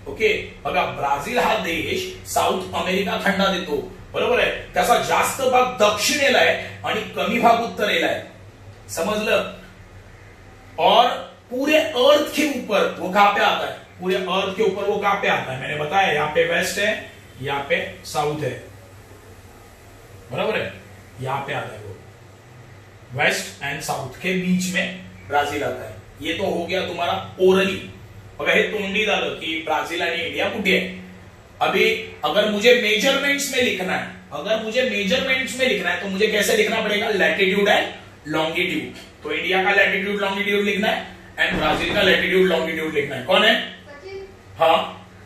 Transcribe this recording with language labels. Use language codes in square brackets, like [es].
[mr] Okay अगर Brazil हा देश साउथ अमेरिका खंडा देतो बरोबर आहे, त्याचा जास्त भाग दक्षिणेला आहे आणि कमी भाग उत्तरेला आहे, समजलं, [hi] और पूरे अर्थ के ऊपर वो कहां पे आता है, पूरे अर्थ के ऊपर वो कहां पे आता है, मैंने बताया यहां पे वेस्ट है यहां पे साउथ है बरोबर है, यहां पे आता है वो वेस्ट एंड साउथ के बीच में ब्राजील आता है। ये तो हो गया तुम्हारा ओरली, [mr] बघा हे तोंडी झालं की ब्राजील आणि इंडिया कुठे आहे। [hi] अभी अगर मुझे मेजरमेंट्स में लिखना है, अगर मुझे मेजरमेंट्स में लिखना है तो मुझे कैसे लिखना पड़ेगा, लैटिट्यूड एंड लॉन्गिट्यूड, तो इंडिया का लैटिट्यूड लॉन्गिट्यूड लिखना है एंड ब्राजील का लैटिट्यूड लॉन्गिट्यूड लिखना है, कौन है, हाँ